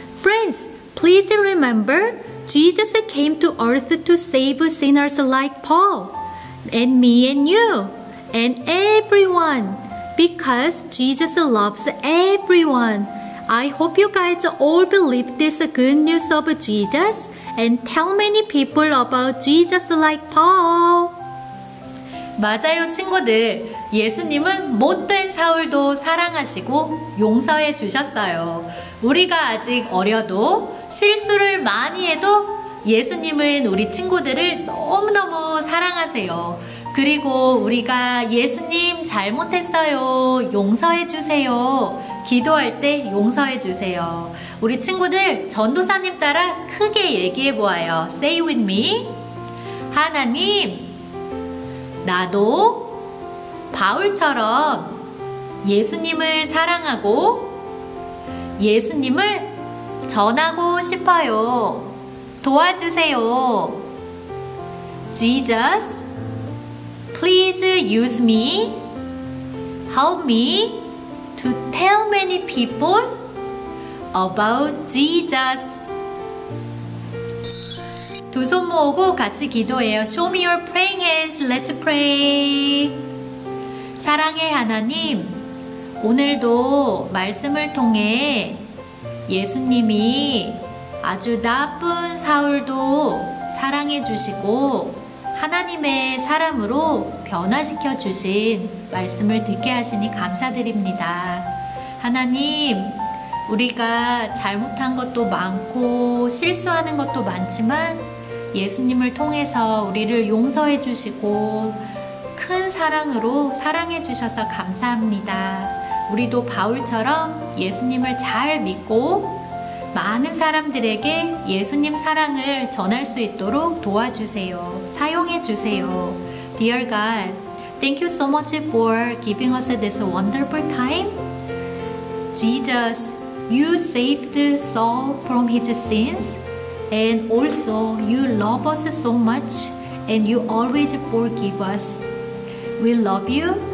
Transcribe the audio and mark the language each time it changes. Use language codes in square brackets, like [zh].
[en] Friends, please remember, Jesus came to earth to save sinners like Paul, and me and you, and everyone. Because Jesus loves everyone. I hope you guys all believe this good news of Jesus and tell many people about Jesus like Paul. [ko] 맞아요, 친구들. 예수님은 못된 사울도 사랑하시고 용서해 주셨어요. 우리가 아직 어려도 실수를 많이 해도 예수님은 우리 친구들을 너무너무 사랑하세요. 그리고 우리가 예수님 잘못했어요. 용서해 주세요. 기도할 때 용서해 주세요. 우리 친구들 전도사님 따라 크게 얘기해 보아요. [en] Say with me. [ko] 하나님, 나도 바울처럼 예수님을 사랑하고 예수님을 전하고 싶어요. 도와주세요. [en] Jesus, please use me, help me to tell many people about Jesus. [ko] 두 손 모으고 같이 기도해요. [en] Show me your praying hands. Let's pray. [ko] 사랑해 하나님, 오늘도 말씀을 통해 예수님이 아주 나쁜 사울도 사랑해 주시고 하나님의 사람으로 변화시켜 주신 말씀을 듣게 하시니 감사드립니다. 하나님, 우리가 잘못한 것도 많고 실수하는 것도 많지만 예수님을 통해서 우리를 용서해 주시고 큰 사랑으로 사랑해 주셔서 감사합니다. 우리도 바울처럼 예수님을 잘 믿고 많은 사람들에게 예수님 사랑을 전할 수 있도록 도와주세요. 사용해 주세요. [en] Dear God, thank you so much for giving us this wonderful time. Jesus, you saved Saul from his sins. And also, you love us so much. And you always forgive us. We love you.